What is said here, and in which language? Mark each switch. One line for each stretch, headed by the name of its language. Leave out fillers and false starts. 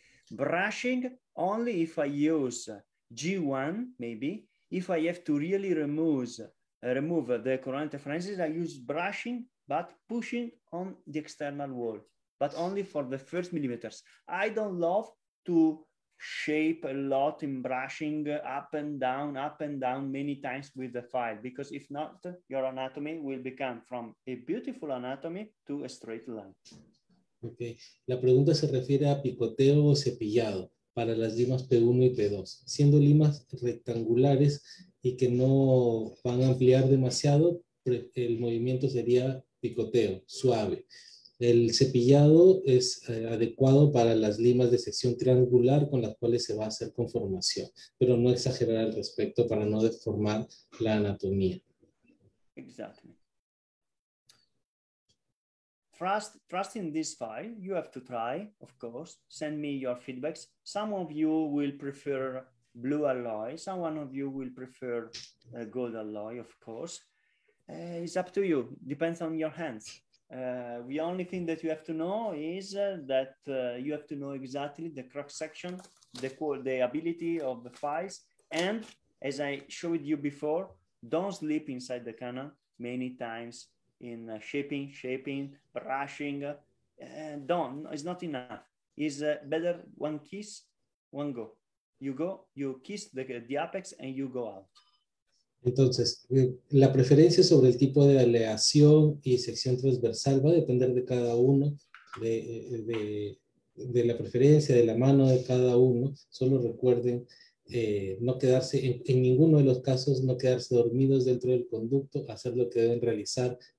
English: Brushing only if I use G1, maybe, if I have to really remove the coronal interferences, I use brushing, but pushing on the external wall, but only for the first millimeters. I don't love to shape a lot in brushing up and down many times with the file, because if not, your anatomy will become from a beautiful anatomy to a straight line. Okay.
Spanish: La pregunta se refiere a picoteo o cepillado para las limas P1 y P2. Siendo limas rectangulares y que no van a ampliar demasiado, el movimiento sería picoteo, suave. El cepillado es adecuado para las limas de sección triangular con las cuales se va a hacer conformación, pero no exagerar al respecto para no deformar la anatomía.
English: Exactly. Trusting this file, you have to try, of course. Send me your feedbacks. Some of you will prefer blue alloy. Someone of you will prefer gold alloy, of course. It's up to you. Depends on your hands. The only thing that you have to know is that you have to know exactly the cross section, the ability of the files. And as I showed you before, don't sleep inside the canal many times in shaping, brushing, it's not enough. It's better one kiss, one go. You go, you kiss the apex and you go out.
Spanish: Entonces, la preferencia sobre el tipo de aleación y sección transversal va a depender de cada uno, de la preferencia, de la mano de cada uno. Solo recuerden no quedarse, en ninguno de los casos, no quedarse dormidos dentro del conducto, hacer lo que deben realizar.